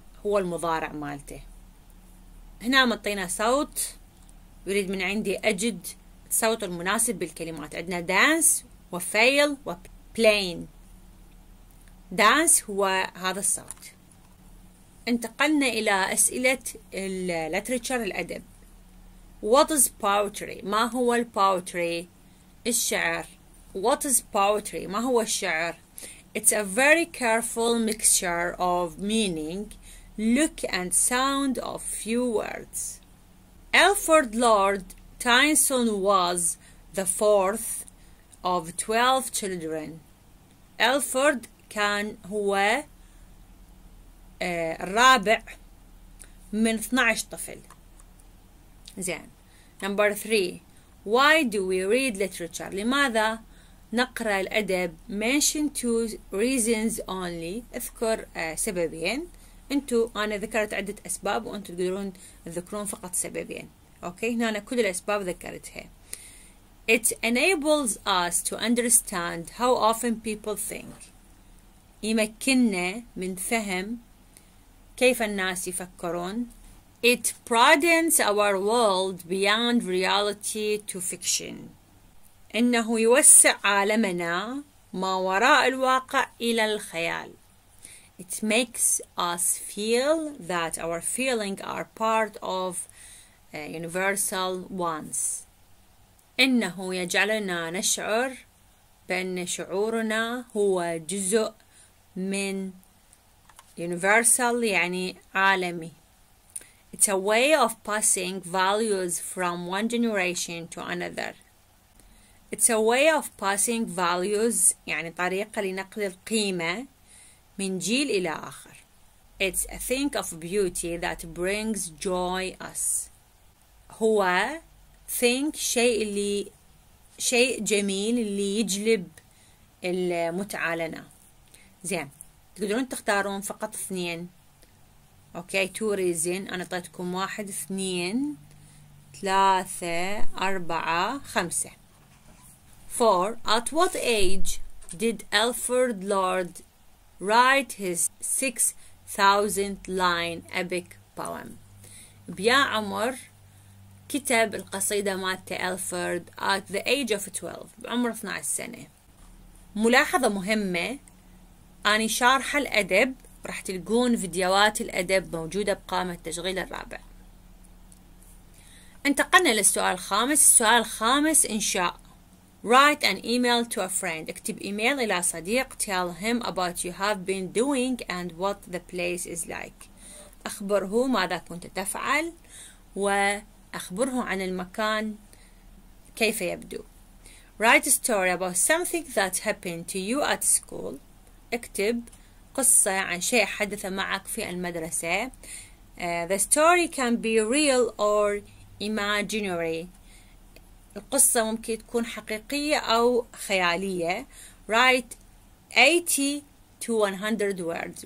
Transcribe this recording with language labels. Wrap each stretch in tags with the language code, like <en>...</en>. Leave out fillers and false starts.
<ar>هو المضارع مالته. هنا مطينا صوت يريد من عندي أجد صوت المناسب بالكلمات. عندنا dance و fail و plain. dance هو هذا الصوت. انتقلنا إلى أسئلة الليتريتشر الأدب.</ar> <en>What is poetry؟</en> <ar>ما هو poetry؟ الشعر.</ar> <en>What is poetry؟</en> <ar>ما هو الشعر؟</ar> <en>It's a very careful mixture of meaning, look and sound of few words. Alfred Lord Tennyson was the fourth of 12 children.</en> <ar>Alfred كان هو الرابع من 12 طفل.</ar> <en>زين. Number 3. Why do we read literature?</en> <ar>لماذا نقرأ الأدب؟</ar> <en>Mention two reasons only.</en> <ar>اذكر سببين. انتو انا ذكرت عدة اسباب وانتو تقدرون تذكرون فقط سببين. اوكي هنا كل الاسباب ذكرتها.</ar> <en>It enables us to understand how often people think.</en> <ar>يمكننا من فهم كيف الناس يفكرون.</ar> <en>It broadens our world beyond reality to fiction.</en> <ar>انه يوسع عالمنا ما وراء الواقع الى الخيال.</ar> <en>It makes us feel that our feelings are part of universal ones.</en> <ar>إنه يجعلنا نشعر بأن شعورنا هو جزء من universal يعني عالمي.</ar> <en>It's a way of passing values from one generation to another. It's a way of passing values</en> <ar>يعني طريقة لنقل القيمة من جيل إلى آخر.</ar> <en>It's a thing of beauty that brings joy us.</en> <ar>هو think شيء اللي شيء جميل اللي يجلب المتعة لنا. زين. تقدرون تختارون فقط اثنين.</ar> <en>Okay, two reasons.</en> <ar>أنا طيتكم واحد اثنين ثلاثة أربعة خمسة.</ar> <en>Four. At what age did Alfred Lord write his 6,000 line epic poem.</en> <ar>بيا عمر كتب القصيدة مالت ألفرد</ar> <en>at the age of 12</en> <ar>بعمر 12 سنة. ملاحظة مهمة أنا شارح الأدب رح تلقون فيديوهات الأدب موجودة بقائمة التشغيل الرابع. انتقلنا للسؤال الخامس. السؤال الخامس إنشاء.</ar> <en>Write an email to a friend.</en> <ar>اكتب ايميل الى صديق.</ar> <en>Tell him about you have been doing and what the place is like.</en> <ar>اخبره ماذا كنت تفعل واخبره عن المكان كيف يبدو.</ar> <en>Write a story about something that happened to you at school.</en> <ar>اكتب قصة عن شيء حدث معك في المدرسة.</ar> <en>The story can be real or imaginary.</en> <ar>القصة ممكن تكون حقيقية أو خيالية.</ar> <en>Write 80 to 100 words.</en>